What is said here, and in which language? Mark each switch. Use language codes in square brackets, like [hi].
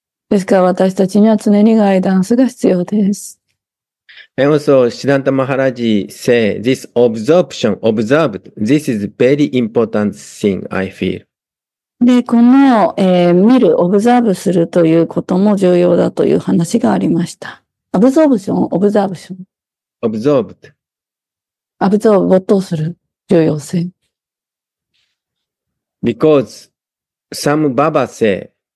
[ja] ですから私たちには常にガイダンスが必要です。 [en] And also, Siddhanta Maharaj say, this absorption, observed, this is very important thing, I feel. [ja] で、この、見る、オブザーブするということも重要だという話がありました。 [en] アブゾーブション、オブザーブション。オブゾーブ。 [ja] アブゾーブ、没頭する、重要性。 [en] Because, some Baba say,